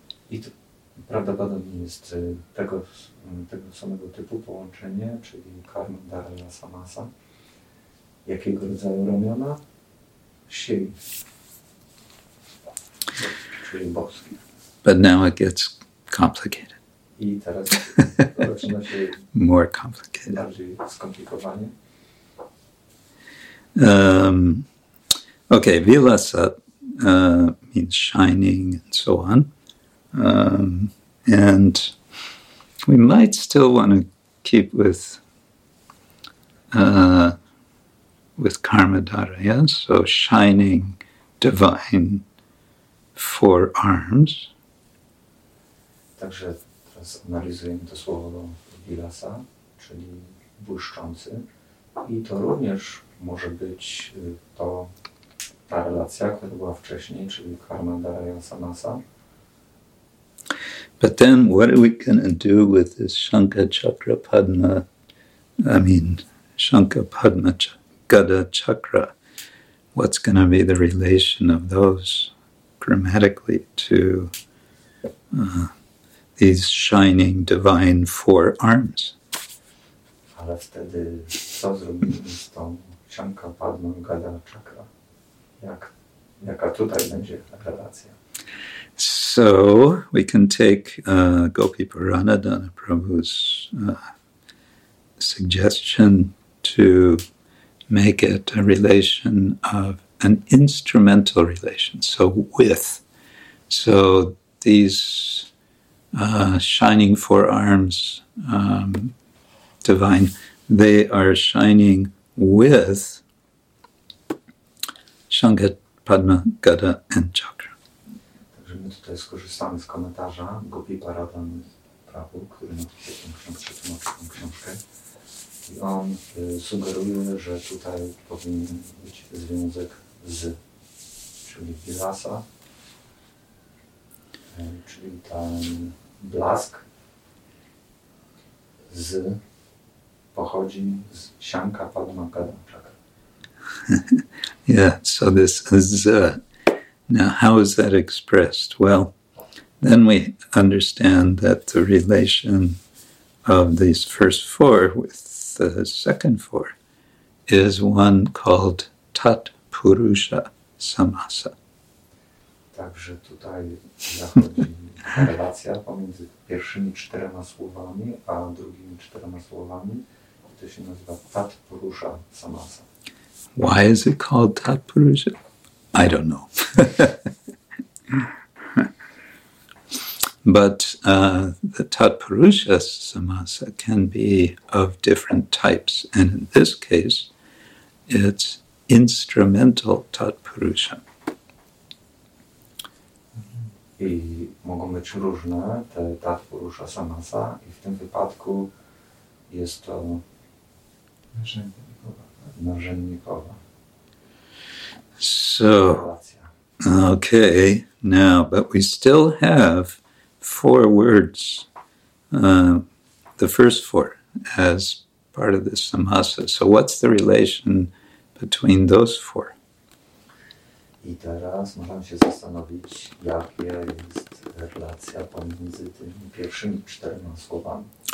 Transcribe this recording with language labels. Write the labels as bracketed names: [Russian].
[Polish] I to prawdopodobnie jest tego samego typu połączenie, czyli karma dharaya samasa. Jakiego rodzaju ramiona? Śri, czyli boskie. [English] But now it gets complicated. [Polish] I teraz zaczyna się [English] more complicated. [Polish] Bardziej skomplikowanie. [English] Okay, vilasa means shining and so on. And we might still want to keep with karma dharaya, so shining, divine, four arms. [Polish] Także teraz analizujemy to słowo vilasa, czyli błyszczący. I to również może być to ta relacja, która była wcześniej, czyli karma dharaya samasa. [English] But then what are we gonna do with this shankha chakra padma, shankha padma gada chakra? What's gonna be the relation of those grammatically to these shining divine four arms? [Polish] Ale wtedy co zrobimy z tą Shankha Padma Gada Chakra? Jaka tutaj będzie relacja? [English] So we can take Gopi Purana Dana Prabhu's suggestion to make it a relation of an instrumental relation, so with. So these shining forearms, divine, they are shining with Shankha, Padma, Gada and Chakra. [Polish] My tutaj skorzystamy z komentarza Gopi Paradan Prabhu, który napisał tę książkę, i on sugeruje, że tutaj powinien być związek z, czyli Vilasa, czyli ten blask z pochodzi z Shankha Padma Gada Chakra. [English] Yeah, so this is Now, how is that expressed? Well, then we understand that the relation of these first four with the second four is one called Tat Purusha Samasa. [Polish] Także tutaj zachodzi relacja pomiędzy pierwszymi czterema słowami a drugimi czterema słowami. To się nazywa Tat Purusha Samasa. [English] Why is it called Tat Purusha? I don't know. But the Tatpurusha Samasa can be of different types. And in this case, it's instrumental Tatpurusha. [Polish] I mogą być różne te Tatpurusha Samasa. I w tym wypadku jest to narzędnikowa. [English] So, okay, now, but we still have four words, the first four, as part of the samasa. So what's the relation between those four? [Polish] I teraz możemy się zastanowić, jaka jest relacja pomiędzy tymi pierwszymi czterema słowami.